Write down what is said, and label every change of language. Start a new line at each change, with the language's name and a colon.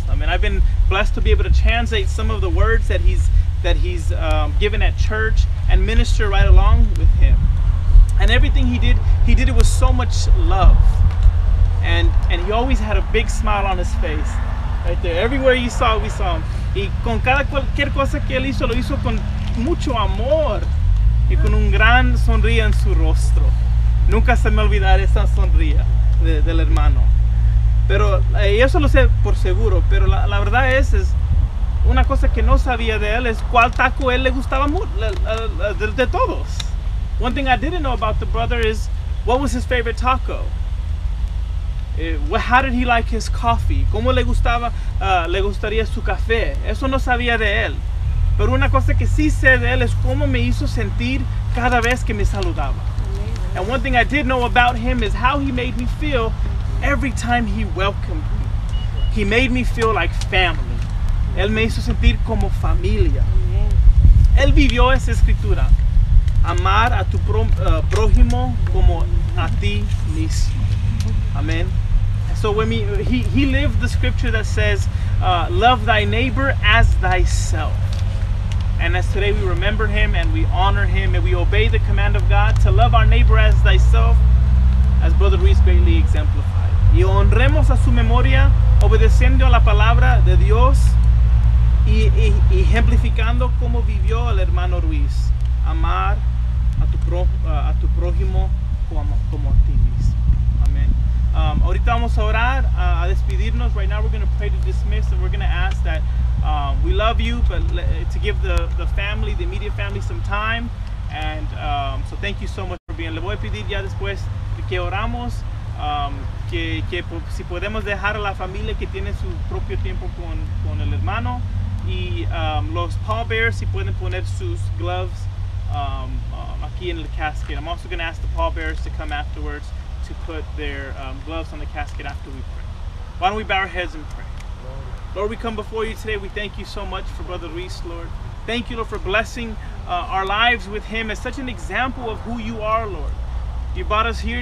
English: I mean, I've been blessed to be able to translate some of the words that he's given at church and minister right along with him. And everything he did it with so much love. And he always had a big smile on his face. Right there. Everywhere you saw, we saw him.
Spanish: Y con cada cualquier cosa que él hizo, lo hizo con mucho amor. Y con un gran sonrisa en su rostro. Nunca se me olvidará esa sonrisa del hermano. Pero, y eso lo sé por seguro, pero la verdad es una cosa que no sabía de él es cuál taco él le gustaba de todos.
English: One thing I didn't know about the brother is, what was his favorite taco? How did he like his coffee?
Spanish: ¿Cómo le gustaría su café? Eso no sabía de él. Pero una cosa que sí sé de él es cómo me hizo sentir cada vez que me saludaba.
English: And one thing I did know about him is how he made me feel every time he welcomed me. He made me feel like family.
Spanish: Él me hizo sentir como familia. Él vivió esa escritura. Amar a tu prójimo como a ti mismo.
English: Amen. So when he lived the scripture that says, love thy neighbor as thyself. And as today we remember him and we honor him and we obey the command of God to love our neighbor as thyself, as Brother Ruiz Bailey exemplified.
Spanish: Y honremos a su memoria obedeciendo la palabra de Dios y ejemplificando cómo vivió el hermano Ruiz. Amar a tu prójimo como a ti mismo. Amen. Ahorita vamos a orar, a despedirnos.
English: Right now we're going to pray to dismiss and we're going to ask that we love you, but to give the family, the immediate family, some time. And so thank you so much for being.
Spanish: Le voy a pedir ya después que oramos, que si podemos dejar a la familia que tiene su propio tiempo con el hermano. Y los pallbearers, si pueden poner sus gloves aquí en el casket.
English: I'm also going to ask the pallbearers to come afterwards to put their gloves on the casket after we pray. Why don't we bow our heads and pray? Lord, we come before you today. We thank you so much for Brother Ruiz, Lord. Thank you, Lord, for blessing our lives with him as such an example of who you are, Lord. You brought us here.